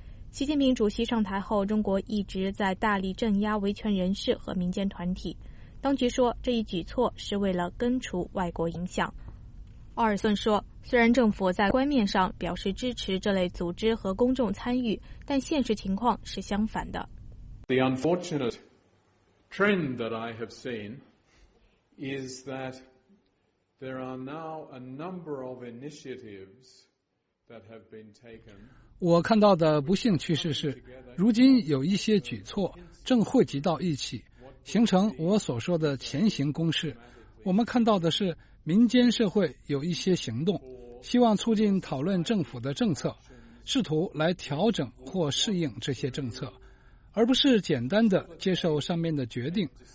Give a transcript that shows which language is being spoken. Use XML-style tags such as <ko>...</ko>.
<zh>习近平主席上台后，中国一直在大力镇压维权人士和民间团体。当局说，这一举措是为了根除外国影响。奥尔森说，虽然政府在官面上表示支持这类组织和公众参与，但现实情况是相反的。</zh> <en>The unfortunate trend that I have seen is that there are now a number of initiatives that have been taken.</en> <zh>我看到的不幸趋势是，如今有一些举措正汇集到一起，形成我所说的前行攻势。我们看到的是民间社会有一些行动，希望促进讨论政府的政策，试图来调整或适应这些政策，而不是简单的接受上面的决定。</zh>